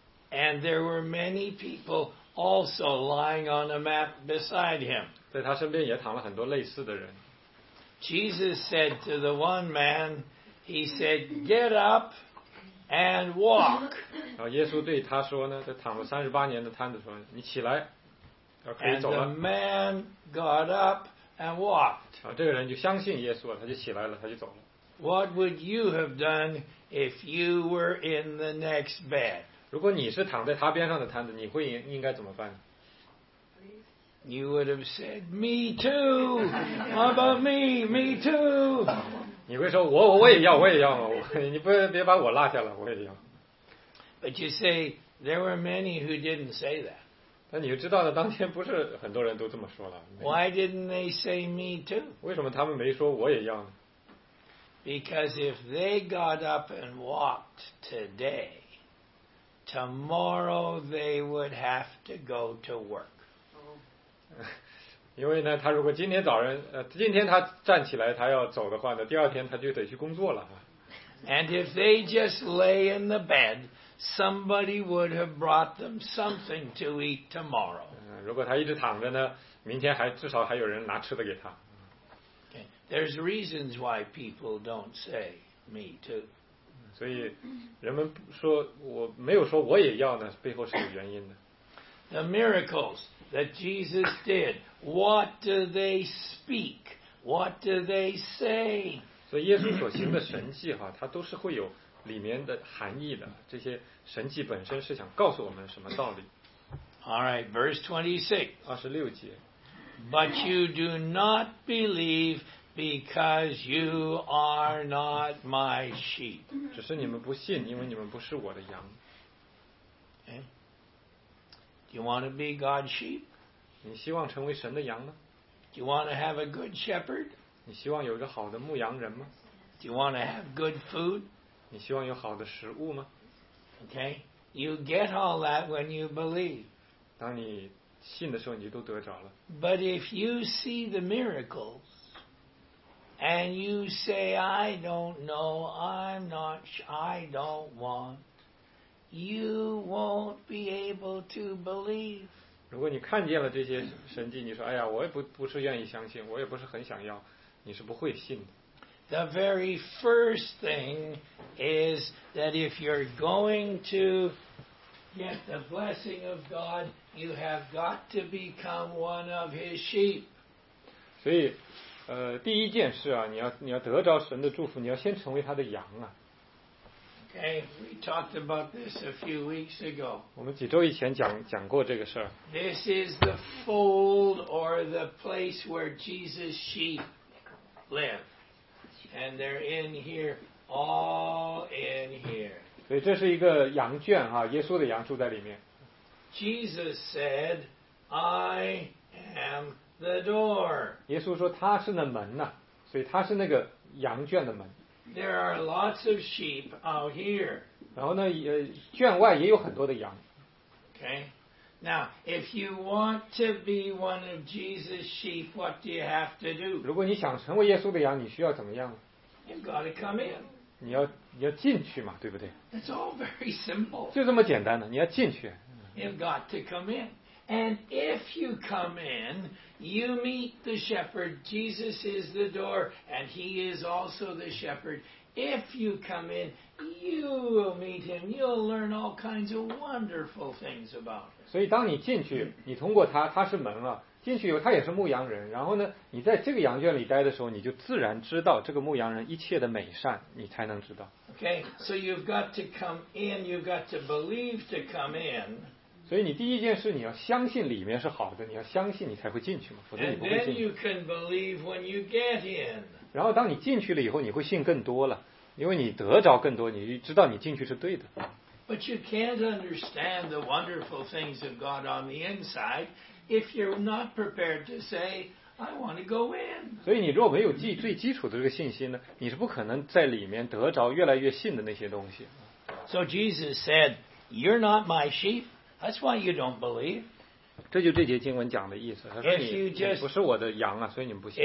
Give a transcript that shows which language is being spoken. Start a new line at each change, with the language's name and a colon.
English: And there were many people also lying on a mat beside him.
Chinese: 在他身边也躺了很多类似的人。
English: Jesus said to the one man, he said, get up and walk.
Chinese: 然后耶稣对他说呢，在躺了三十八年的瘫子说，你起来，可以走了。
English: And the man got up and walked.
Chinese: 然后这个人就相信耶稣了，他就起来了，他就走了。
English: What would you have done if you were in the next bed?
Chinese: 如果你是躺在他边上的瘫子，你会应该怎么办？
English: You would have said, me too. How about me? Me too.
Chinese: 你会说我也要，我也要嘛。你别把我落下了，我也要。
English: But you say, there were many who didn't say that.
Chinese: 但你就知道了，当天不是很多人都这么说了。
English: Why didn't they say me too?
Chinese: 为什么他们没说我也要呢？
English: Because if they got up and walked today, tomorrow they would have to go to work.
Chinese: 因为呢，他如果今天早上今天他站起来他要走的话呢，第二天他就得去工作了。
English: And if they just lay in the bed somebody would have brought them something to eat tomorrow.
Chinese: 如果他一直躺着呢，明天还至少还有人拿吃的给他。
English: There's reasons why people don't say me too.
Chinese: 所以人们说我没有说我也要呢，背后是有原因的。
English: The miracles that Jesus did, what do they speak? What do they say?
Chinese: 所以耶稣所行的神迹哈，它都是会有里面的含义的。这些神迹本身是想告诉我们什么道理？
English: All right, verse 26.
Chinese: 26节。
English: But you do not believe because you are not my sheep.
Chinese: 只是你们不信，因为你们不是我的羊。
English: Okay. Do you want to be God's sheep?
Chinese: 你希望成为神的羊吗？
English: Do you want to have a good shepherd?
Chinese: 你希望有一个好的牧羊人吗？
English: Do you want to have good food?
Chinese: 你希望有好的食物吗？
English: Okay. You get all that when you believe.
Chinese: 当你信的时候你就都得着了。
English: But if you see the miracles and you say I don't know, I'm not, I don't want, you won't be able to believe.
Chinese: 如果你看见了这些神迹，你说哎呀，我也不是愿意相信，我也不是很想要，你是不会信的。
English: The very first thing is that if you're going to get the blessing of God, you have got to become one of His sheep.
Chinese: 所以，第一件事啊，你要得着神的祝福，你要先成为他的羊啊。
English: Okay, we talked about this a few weeks ago.
Chinese: 我们几周以前讲过这个事儿。
English: This is the fold or the place where Jesus' sheep live, and they're in here, all in here.
Chinese: 所以这是一个羊圈啊，耶稣的羊住在里面。
English: Jesus said, I am the door.
Chinese: 耶稣说他是那门啊，所以他是那个羊圈的门。
English: There are lots of sheep out here.
Chinese: 然后呢，圈外也有很多的羊。
English: Okay. Now, if you want to be one of Jesus' sheep, what do you have to do?
Chinese: 如果你想成为耶稣的羊，你需要怎么样？
English: You've got to come in.
Chinese: 你要进去嘛，对不对？
English: It's all very simple.
Chinese: 就这么简单的，你要进去。
English: You've got to come in. And if you come in, you meet the shepherd. Jesus is the door, and he is also the shepherd. If you come in, you will meet him. You'll learn all kinds of wonderful things about him.
Chinese: 所以当你进去，你通过他，他是门了。进去以后，他也是牧羊人。然后呢，你在这个羊圈里待的时候，你就自然知道这个牧羊人一切的美善，你才能知道。
English: Okay, so you've got to come in. You've got to believe to come in.
Chinese: 所以你第一件事，你要相信里面是好的，你要相信你才会进去嘛，否则你不会进去。
English: And then you can believe when you get in.
Chinese: 然后当你进去了以后，你会信更多了，因为你得着更多，你知道你进去是对的。
English: But you can't understand the wonderful things of God on the inside if you're not prepared to say, I want to go in.
Chinese: 所以你若没有最基础的这个信心呢，你是不可能在里面得着越来越信的那些东西。
English: So Jesus said, you're not my sheep. That's why you don't believe.
Chinese: 这就这节经文讲的意思。他说 你不是我的羊啊，所以你们不信。